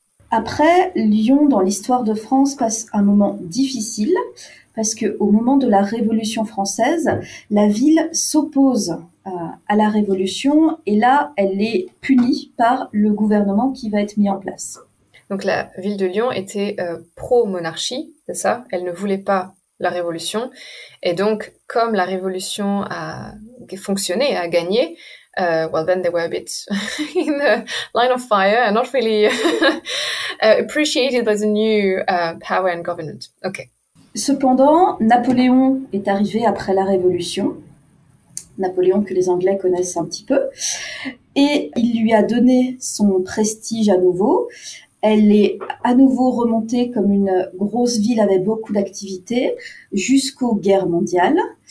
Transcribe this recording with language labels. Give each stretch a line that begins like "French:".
French: Après, Lyon, dans l'histoire de France, passe un moment difficile parce qu'au moment de la Révolution française, la ville s'oppose à la Révolution et là, elle est punie par le gouvernement qui va être mis en place. Donc la ville de Lyon était pro-monarchie, c'est ça? Elle ne voulait pas la Révolution. Et donc, comme la Révolution a fonctionné, a gagné,
English: well, then they were a bit in the line of fire and not really appreciated by the new power and government. Okay.
French: Cependant, Napoléon est arrivé après la Révolution, Napoléon que les Anglais connaissent un petit peu, et il lui a donné son prestige à nouveau. elle est à nouveau remontée comme une grosse ville avec beaucoup d'activités jusqu'aux guerres mondiales.